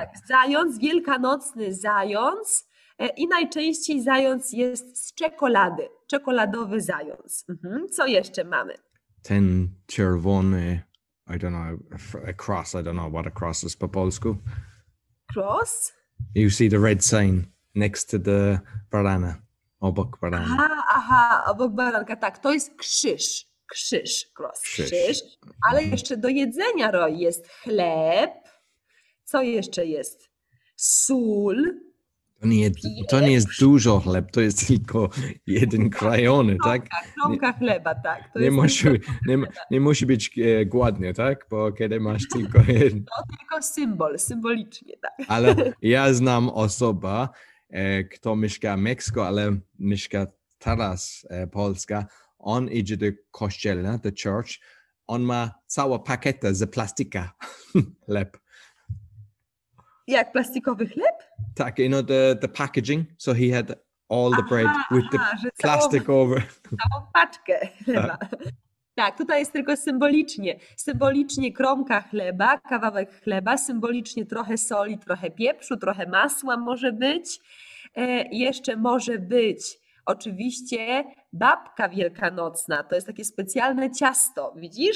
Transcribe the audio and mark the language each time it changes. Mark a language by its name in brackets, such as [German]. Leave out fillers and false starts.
[Polish] Tak, zając, wielkanocny zając i najczęściej zając jest z czekolady, czekoladowy zając. Mhm. Co jeszcze mamy? Ten czerwony, [English] I don't know, a cross, I don't know what a cross is [Polish] po polsku. [English] Cross? You see the red sign next to the barana, [Polish] obok barana. Aha, obok baranka, tak, to jest krzyż, cross, krzyż. Ale jeszcze do jedzenia, Roy, jest chleb, co jeszcze jest? Sól. To nie jest dużo chleb, to jest tylko jeden krajony, tak? Kromka chleba, tak. To nie musi być głodny, tak? Bo kiedy masz tylko jeden. To tylko symbol, symbolicznie, tak. Ale ja znam osobę, kto mieszka w Meksyku, ale mieszka teraz Polska. On idzie do kościelna, [English] the church. [Polish] On ma całą pakietę z plastika chleb. Jak plastikowy chleb? Tak, [English] you know the packaging, so he had all the bread with the plastic over. [Polish] Całą paczkę chleba. Tak, tutaj jest tylko symbolicznie. Symbolicznie kromka chleba, kawałek chleba, symbolicznie trochę soli, trochę pieprzu, trochę masła może być. Jeszcze może być Oczywiście babka wielkanocna to jest takie specjalne ciasto, widzisz?